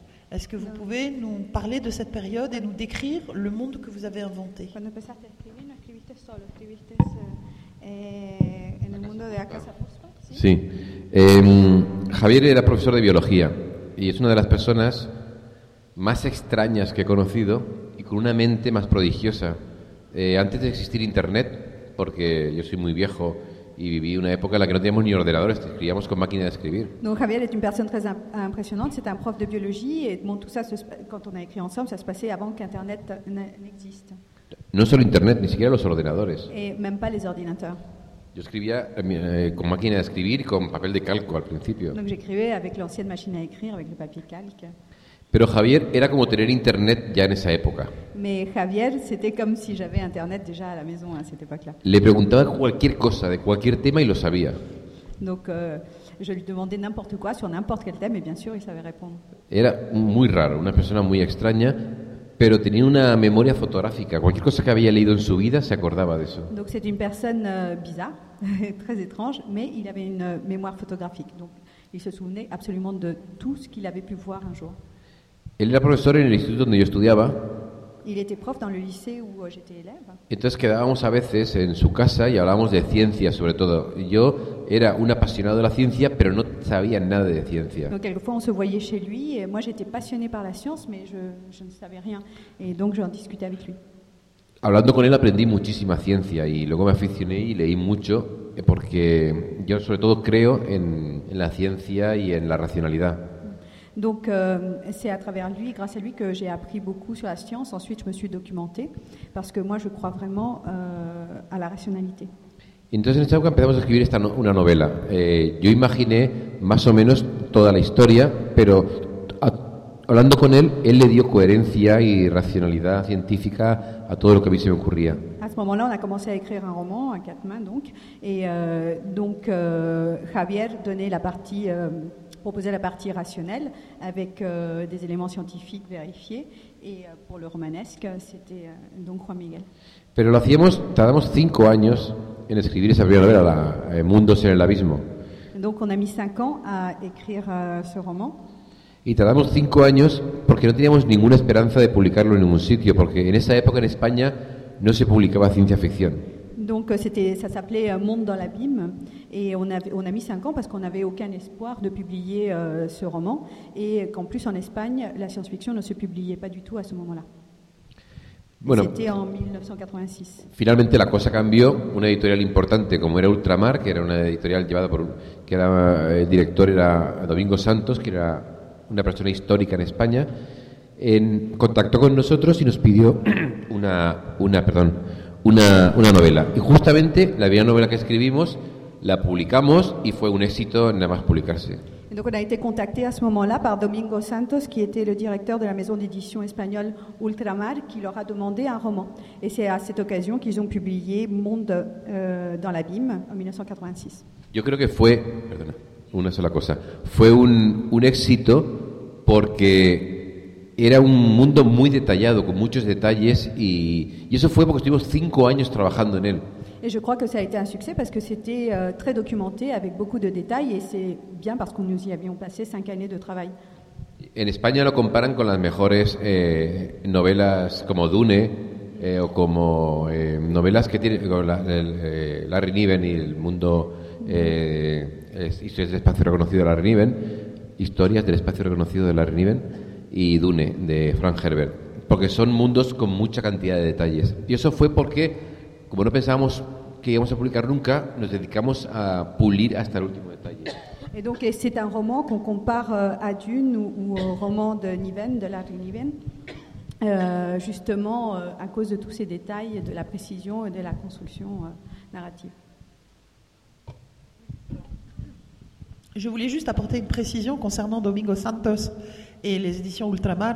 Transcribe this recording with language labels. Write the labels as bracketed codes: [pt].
[fr] Est-ce que vous pouvez nous parler de cette période et nous décrire le monde que vous avez inventé? Quand vous commencez à écrire, vous écrivez seul, vous écrivez dans le monde d'Acasapuspa? [es] Sí. Javier era profesor de biología y es una de las personas más extrañas que he conocido y con una mente más prodigiosa. Antes de existir internet, porque yo soy muy viejo y viví una época en la que no teníamos ni ordenadores, escribíamos con máquina de escribir. [fr] Donc Javier est une personne très impressionnante, c'est un prof de biologie et bon, tout ça quand on a écrit ensemble, ça se passait avant qu'internet n'existe. [es] No solo internet, ni siquiera los ordenadores. [fr] Et même pas les ordinateurs. [es] Yo escribía con máquina de escribir y con papel de calco al principio. [fr] Donc j'écrivais avec l'ancienne machine à écrire avec le papier calque. [es] Pero Javier era como tener internet ya en esa época. [fr] Mais Javier, c'était comme si j'avais internet déjà à la maison à cette époque-là. [es] Le preguntaba cualquier cosa de cualquier tema y lo sabía. [fr] Donc je lui demandais n'importe quoi sur n'importe quel thème et bien sûr, il savait répondre. [es] Era muy raro, una persona muy extraña, pero tenía una memoria fotográfica. Cualquier cosa que había leído en su vida se acordaba de eso. [fr] Donc c'est une personne bizarre, très étrange, mais il avait une mémoire photographique. Donc il se souvenait absolument de tout ce qu'il avait pu voir un jour. [es] Él era profesor en el instituto donde yo estudiaba. [fr] Il était prof dans le lycée où j'étais élève. [es] Entonces quedábamos a veces en su casa y hablábamos de ciencia sobre todo. Yo era un apasionado de la ciencia, pero no sabía nada de ciencia. [fr] Donc quelquefois on se voyait chez lui et moi j'étais passionné par la science mais je ne savais rien et donc j'en discutais avec lui. [es] Hablando con él aprendí muchísima ciencia y luego me aficioné y leí mucho porque yo sobre todo creo en la ciencia y en la racionalidad. [fr] Donc c'est à travers lui, grâce à lui, que j'ai appris beaucoup sur la science. Ensuite, je me suis documenté parce que moi, je crois vraiment à la rationalité. [es] Entonces, en esta época empezamos a escribir una novela. Yo imaginé más o menos toda la historia, pero hablando con él, él le dio coherencia y racionalidad científica a todo lo que a mí se me ocurría. [fr] À ce moment-là, on a commencé à écrire un roman à quatre mains, donc. Et donc, Javier donnait la partie... proposer la partie rationnelle avec des éléments scientifiques vérifiés et pour le romanesque c'était donc Juan Miguel. [es] Pero lo hacíamos, tardamos 5 años en escribir esa primera novela, Mundos en el abismo. [fr] Donc on a mis 5 ans à écrire ce roman. [es] Y tardamos 5 años porque no teníamos ninguna esperanza de publicarlo en ningún sitio porque en esa época en España no se publicaba ciencia ficción. [fr] Donc ça s'appelait Monde dans l'abîme et on a mis 5 ans parce qu'on n'avait aucun espoir de publier ce roman et qu'en plus en Espagne la science-fiction ne se publiait pas du tout à ce moment-là. [es] Bueno, [fr] c'était en 1986. [es] Finalement la cosa cambió, una editorial importante como era Ultramar, que era una editorial llevada por que era el director era Domingo Santos, que era una persona histórica en España, en contactó con nosotros y nos pidió una novela. Y justamente la primera novela que escribimos la publicamos y fue un éxito nada más publicarse. [fr] Entonces, on a été contacté à ce moment-là par Domingo Santos, qui était le directeur de la maison d'édition espagnole Ultramar, qui leur a demandé un roman. Et c'est à cette occasion qu'ils ont publié Monde dans l'abîme en 1986. [es] Yo creo que fue, perdona, una sola cosa, fue un éxito porque era un mundo muy detallado, con muchos detalles, y eso fue porque estuvimos 5 años trabajando en él. [fr] Et je crois que ça a été un succès parce que c'était très documenté, avec beaucoup de détails, et c'est bien parce que nous y avions passé 5 années de travail. [es] En España lo comparan con las mejores novelas como Dune, o como novelas que tiene Larry Niven y el mundo, historias del espacio reconocido de Larry Niven, historias del espacio reconocido de Larry Niven, y Dune de Frank Herbert, porque son mundos con mucha cantidad de detalles. Y eso fue porque, como no pensábamos que íbamos a publicar nunca, nos dedicamos a pulir hasta el último detalle. [fr] Et donc c'est un roman qu'on compare à Dune ou au roman de Niven, de Larry Niven, justement à cause de tous ces détails, de la précision et de la construction narrative. Je voulais juste apporter une précision concernant Domingo Santos et les éditions Ultramar.